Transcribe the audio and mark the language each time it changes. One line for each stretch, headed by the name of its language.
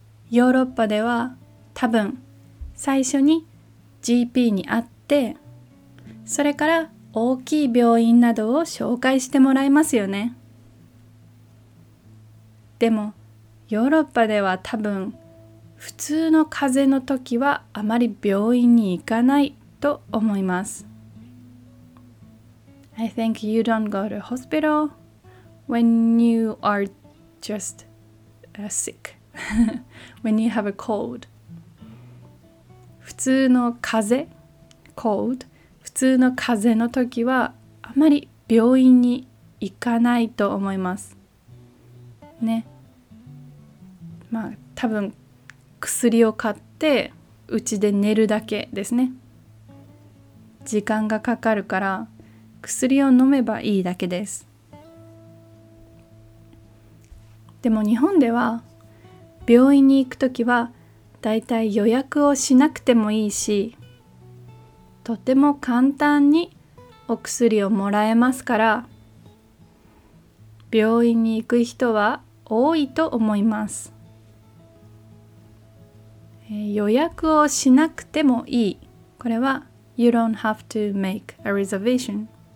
Japanese: ヨーロッパでは多分最初に GP に会って、それから大きい病院などを紹介してもらいますよね。でもヨーロッパでは多分普通の風邪の時はあまり病院に行かないと思います。
English: I think you don't go to hospital. When you are just sick, when you have a cold.
Japanese: 普通の風邪、cold、 普通の風邪の時はあまり病院に行かないと思いますね。まあ多分薬を買って家で寝るだけですね。時間がかかるから薬を飲めばいいだけです。でも日本では病院に行くときはだいたい予約をしなくてもいいし、とても簡単にお薬をもらえますから、病院に行く人は多いと思います。予約をしなくてもいい。
English: これは You don't have to make a reservation.